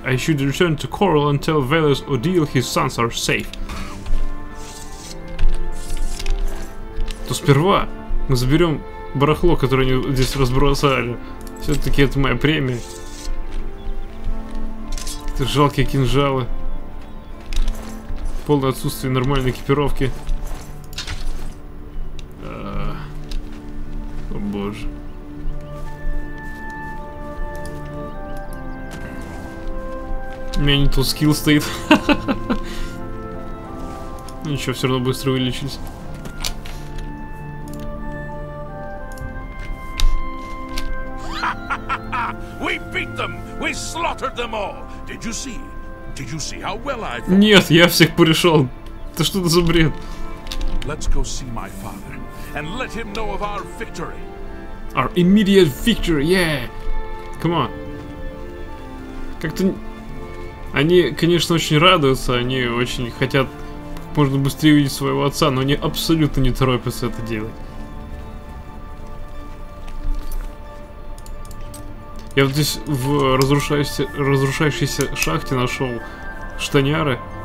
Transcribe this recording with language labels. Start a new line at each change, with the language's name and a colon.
English: I should return to Coral and tell Velas Odile his sons are safe.
Russian: То сперва мы заберем барахло, которое они здесь разбросали. Все-таки это моя премия. Это жалкие кинжалы. Полное отсутствие нормальной экипировки. О боже. У меня не тот скилл стоит. Ничего, все равно быстро вылечились.
English: We beat them! We slaughtered them all! Did you see? Did you see how well I...
Russian: Нет, я всех порешал. Это что за бред?
English: Let's go see my father and let him know of our victory. Our immediate victory, yeah. Come on.
Russian: Как-то они, конечно, очень радуются, они очень хотят можно быстрее увидеть своего отца, но они абсолютно не торопятся это делать. Я вот здесь в разрушающейся шахте нашел штаняры.